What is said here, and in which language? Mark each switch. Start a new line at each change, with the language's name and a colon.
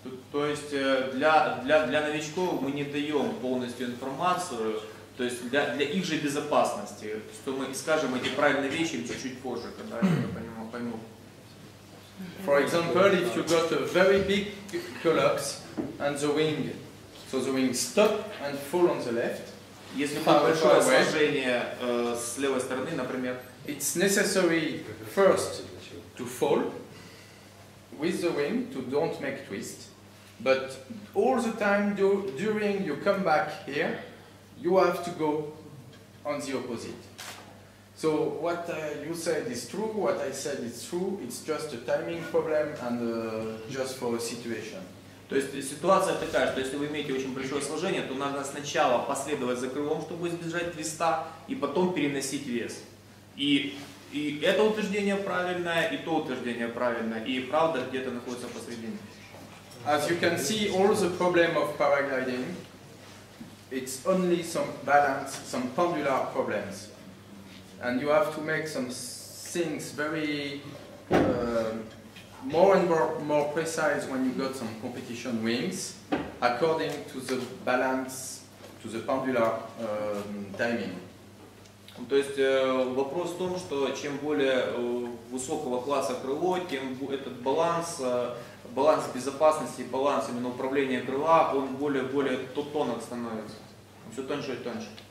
Russian: То есть для новичков мы не даем полностью информацию, то есть для их же безопасности, что мы скажем эти правильные вещи чуть-чуть позже, когда они это поймут.
English: For example, if you got a very big collapse and the wing, so the wing stop and fall on the left,
Russian: если там большое сложение с левой стороны, например,
English: it's necessary first to fall with the wing to don't make twist, but all the time during you come back here, you have to go on the opposite. So what you said is true, what I said is true, it's just a timing problem and just for a situation.
Russian: То есть ситуация такая, что если вы имеете очень большое сложение, то надо сначала последовать за крылом, чтобы избежать твиста, и потом переносить вес. И это утверждение правильное, и то утверждение правильное, и правда где-то находится посредине.
English: As you can see, all the problem of paragliding, it's only some balance, some pendular problems. And you have to make some things very more and more precise when you got some competition wings according to the balance, to the pendular timing.
Russian: То есть вопрос в том, что чем более высокого класса крыло, тем этот баланс, баланс безопасности, баланс именно управления крыла, он более тонок становится. Он все тоньше и тоньше.